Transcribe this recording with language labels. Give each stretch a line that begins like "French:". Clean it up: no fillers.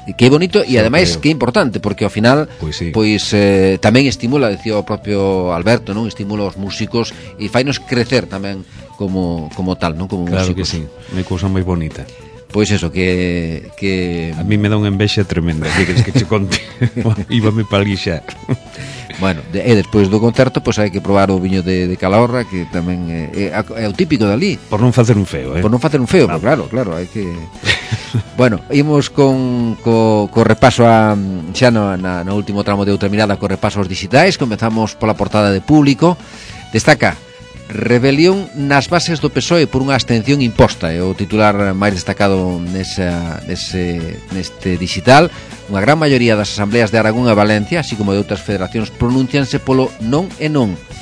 Galician: Que bonito e, ademais, que importante, porque ao final, tamén estimula, decía o propio Alberto, non? Estimula os músicos e fainos crecer tamén.
Spanish: Como tal, ¿no? Como claro, músicos. Que sí, una cosa muy bonita. Pues eso, que... A mí me da una envexa tremenda, si quieres que te conte.
Galician: Íbame para guixar.
Spanish: Bueno, después del concierto, pues hay que probar el viño de Calahorra, que también es el típico de allí. Por no hacer un feo, ¿eh? Por no hacer un feo, pero claro, hay que... Bueno, íbamos con repaso a... Ya
Galician: no último tramo
Spanish: de Outra Mirada, con repaso a los digitales. Comenzamos por la portada de Público. Destaca...
Galician: Rebelión nas bases do PSOE por unha abstención imposta, é o titular máis destacado neste digital. Unha gran maioría das asambleas de Aragón e Valencia, así como de outras federacións, pronuncianse polo non e non.